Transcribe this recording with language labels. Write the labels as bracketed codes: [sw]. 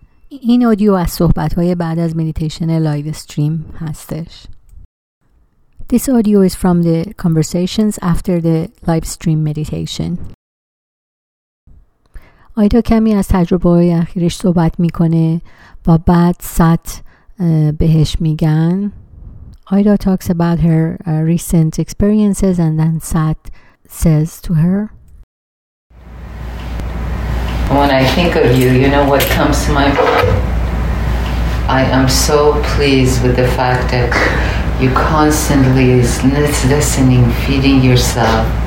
[fa] این اودیو از صحبت‌های بعد از مدیتیشن لایو استریم هستش. [en] This audio is from the conversations after the live stream meditation. [fa] آیتا کمی از تجربه‌های اخیرش صحبت می‌کنه و بعد سات بهش میگن. [en] آیتا talks about her recent experiences and then سات says to her, When I think of you, you know what comes to my mind? I am so pleased with the fact that you constantly is listening, feeding yourself.